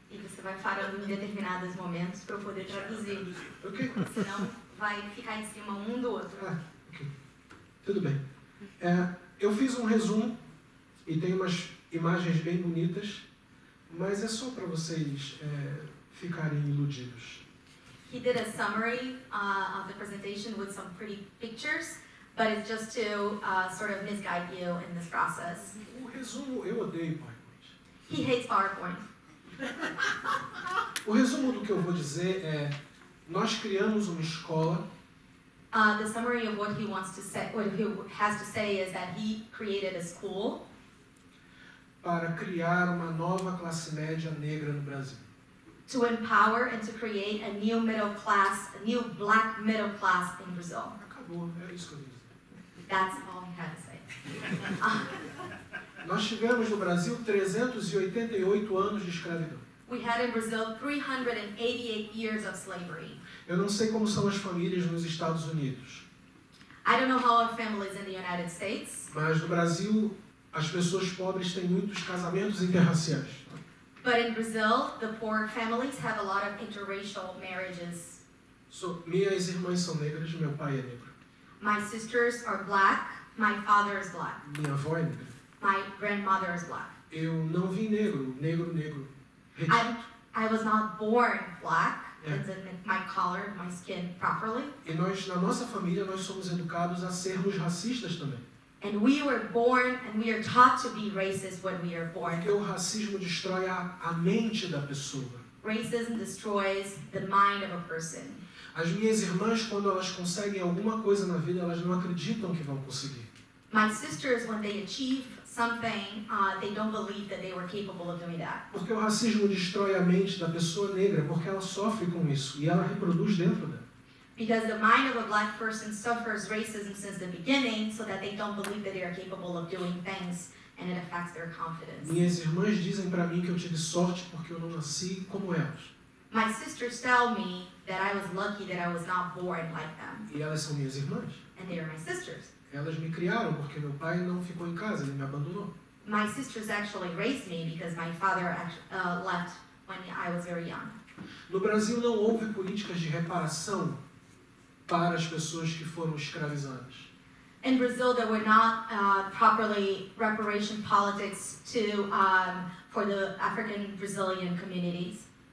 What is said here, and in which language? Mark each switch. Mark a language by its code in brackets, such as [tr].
[pt] E você vai falando em determinados momentos para eu poder traduzir. Ok. Senão vai ficar em cima um do outro. Ah, ok. Tudo bem. Eu fiz um resumo e tem umas imagens bem bonitas, mas é só para vocês ficarem iludidos. [en] He did a summary of the presentation with some pretty pictures. But it's just to sort of misguide you in this process. [pt] O resumo, eu odeio PowerPoint. [en] He hates PowerPoint. [pt] O resumo do que eu vou dizer é, nós criamos uma escola. [en] The summary of what he wants to say, what he has to say is that he created a school. [pt] Para criar uma nova classe média negra no Brasil. [en] To empower and to create a new middle class, a new black middle class in Brazil. [pt] Acabou, é isso que eu digo. [en] That's all he had to say. [pt] Nós no Brasil 388 anos de escravidão. [en] We had in Brazil 388 years of slavery. [pt] Eu não sei como são as famílias nos Estados Unidos. [en] I don't know how our families in the United States. [pt] Mas no Brasil as pessoas pobres têm muitos casamentos interraciais. [en] But in Brazil, the poor families have a lot of interracial marriages. [pt] So, minhas irmãs são negras, meu pai é negro. [en] My sisters are black, my father is black. [pt] Minha avó é negra. [en] My grandmother is black. [pt] Eu não vim negro, negro. [en] I was not born black, it didn't my color, my skin properly. [pt] E nós, na nossa família, nós somos educados a sermos racistas também. [en] And we were born and we are taught to be racist when we are born. [pt] Porque o racismo destrói a mente da pessoa. [en] Racism destroys the mind of a person. [pt] As minhas irmãs, quando elas conseguem alguma coisa na vida, elas não acreditam que vão conseguir. [en] My sisters, when they achieve something, they don't believe that they were capable of doing that. [pt] Porque o racismo destrói a mente da pessoa negra, porque ela sofre com isso e ela reproduz dentro dela. [en] Because the mind of a black person suffers racism since the beginning, so that they don't believe that they are capable of doing things, and it affects their confidence. [pt] Minhas irmãs dizem para mim que eu tive sorte porque eu não nasci como elas. [en] My sisters tell me that I was lucky that I was not born like them. [pt] E elas são minhas irmãs. [en] And they are my sisters. [pt] Elas me criaram porque meu pai não ficou em casa, ele me abandonou. [en] My sisters actually raised me because my father left when I was very young. [pt] No Brasil não houve políticas de reparação para as pessoas que foram escravizadas. [en] In Brazil there were not properly reparation politics to for the African Brazilian communities.